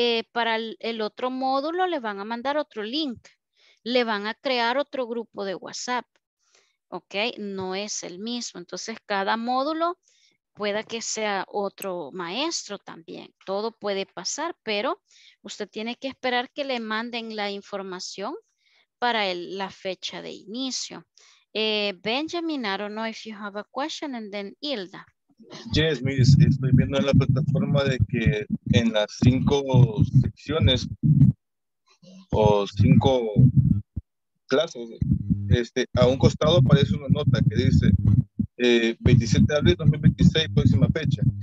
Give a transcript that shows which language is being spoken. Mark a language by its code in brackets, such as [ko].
[es] Para el otro módulo le van a mandar otro link, le van a crear otro grupo de WhatsApp. Ok, no es el mismo. Entonces, cada módulo pueda que sea otro maestro también. Todo puede pasar, pero usted tiene que esperar que le manden la información para la fecha de inicio. [en] Benjamin, I don't know if you have a question, and then Hilda. Yes, Miss, [es] estoy viendo en la plataforma de que en las 5 secciones o 5 clases, a un costado aparece una nota que dice 27 de abril 2026, próxima fecha.